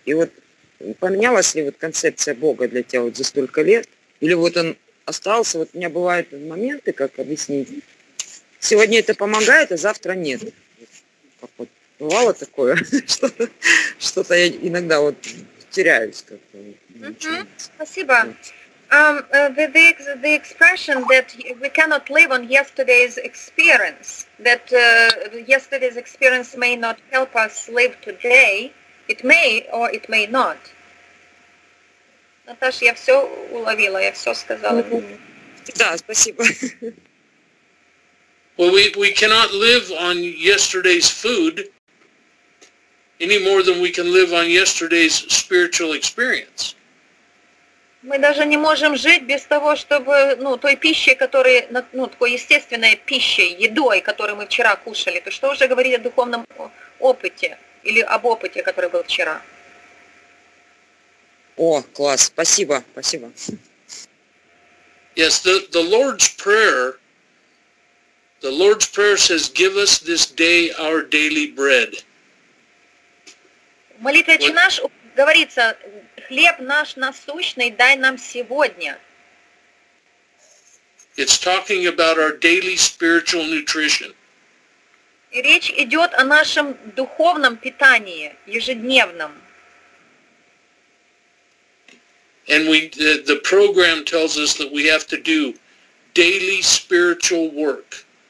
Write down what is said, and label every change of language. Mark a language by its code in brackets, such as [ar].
[ru] И вот поменялась ли вот концепция Бога для тебя вот за столько лет? Или вот он остался, вот у меня бывают моменты, как объяснить. Сегодня это помогает, а завтра нет. Как вот бывало такое, что-то я иногда вот теряюсь как-то. Спасибо. [en] The expression that we cannot live on yesterday's experience, that yesterday's experience may not help us live today, it may or it may not. [ru] Наташа, я все уловила, я все сказала. Да, спасибо. [en] Well, we cannot live on yesterday's food any more than we can live on yesterday's spiritual experience. [ru] Мы даже не можем жить без того, чтобы, ну, той пищей, которая, ну, такой естественной пищей, едой, которую мы вчера кушали. То что уже говорить о духовном опыте или об опыте, который был вчера? О, класс, спасибо, спасибо. [en] Yes, the Lord's Prayer says, give us this day our daily bread. [ru] Молитва Отче наш, говорится, хлеб наш насущный дай нам сегодня. [en] It's talking about our daily spiritual nutrition. [ru] И речь идет о нашем духовном питании ежедневном. [en] And the program tells us that we have to do daily spiritual work.